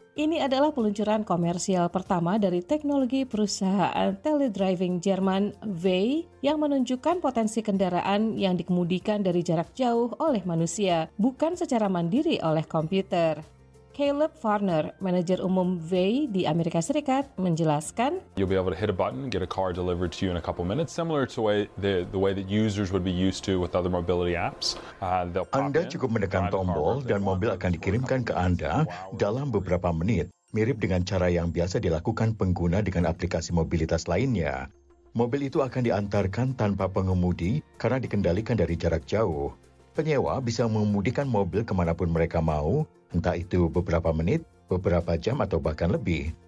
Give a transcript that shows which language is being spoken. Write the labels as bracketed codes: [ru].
[id] Ini adalah peluncuran komersial pertama dari teknologi perusahaan teledriving Jerman, Wey, yang menunjukkan potensi kendaraan yang dikemudikan dari jarak jauh oleh manusia, bukan secara mandiri oleh komputer. Caleb Farner, manajer umum Wey di Amerika Serikat, menjelaskan, [en] "You'll be able to hit a button, get a car delivered to you in a couple minutes, similar to the way that users would be used to with other mobility apps." [id] Anda cukup menekan tombol dan mobil akan dikirimkan ke Anda dalam beberapa menit, mirip dengan cara yang biasa dilakukan pengguna dengan aplikasi mobilitas lainnya. Mobil itu akan diantarkan tanpa pengemudi karena dikendalikan dari jarak jauh. Penyewa bisa memudikan mobil kemanapun mereka mau, entah itu beberapa menit, beberapa jam, atau bahkan lebih.